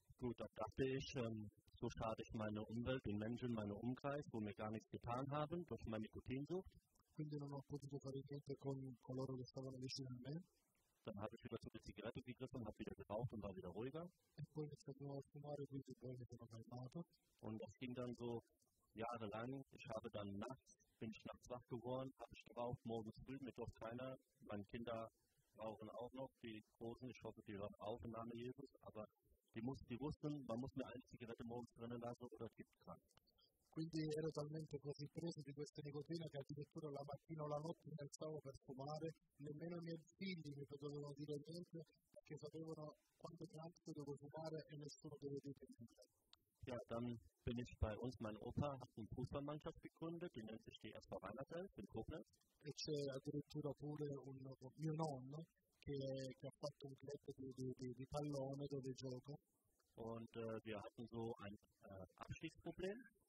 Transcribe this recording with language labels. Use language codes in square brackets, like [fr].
[de] Gut, da dachte ich, so schade ich meine Umwelt, den Menschen, meinen Umkreis, wo mir gar nichts getan haben, durch meine Nikotinsucht. [it] Quindi non ho potuto fare niente con coloro che stavano vicino a me. [de] Dann habe ich wieder zu der Zigarette gegriffen, habe wieder geraucht und war wieder ruhiger. Und das ging dann so jahrelang. Ich habe dann nachts, bin ich nachts wach geworden, habe ich geraucht, morgens früh, mittags keiner. Meine Kinder rauchen auch noch, die Großen, ich hoffe, die hören auf im Namen Jesus. Aber die wussten, man muss mir eine Zigarette morgens drinnen lassen oder es gibt krank. [it] Quindi ero talmente così preso di queste nicotine che addirittura la mattina o la notte mi alzavo per fumare, nemmeno i miei figli mi potevano dire niente perché sapevano quanto tanto dovevo fumare e nessuno doveva dire niente. [de] Ja, dann bin ich bei uns, mein Opa hat eine Fußballmannschaft gegründet, die nennt sich die SV Rheinland-Pfalz in Koblenz. [it] E c'è addirittura pure un mio nonno che ha fatto un club di pallone dove gioco. [de] Und wir hatten so ein Abstiegsproblem.